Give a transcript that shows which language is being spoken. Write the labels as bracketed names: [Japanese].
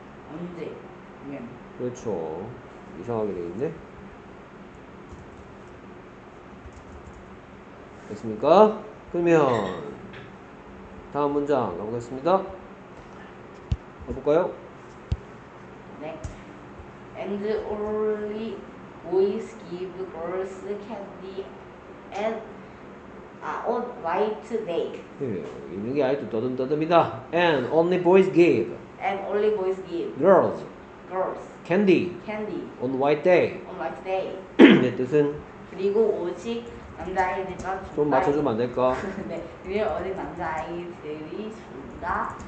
[Korean] 언제? [English] When? [Korean] 그렇죠. 이상하게 되어있네. 됐습니까? 그러면 다음 문장 가보겠습니다. 가볼까요? 네. [English] And only boys give girls candy and on white day. [Korean] 예, 있는 게 아직도 더듬더듭니다. [English] And only boys give. And only boys give. Girls. Girls. Candy. Candy. On white day. On white day. [Korean] 네, 뜻은? 그리고 오직 남자아이들만 좀 맞춰주면 안 될까? 네, 그리고 오직 남자아이들이 준다.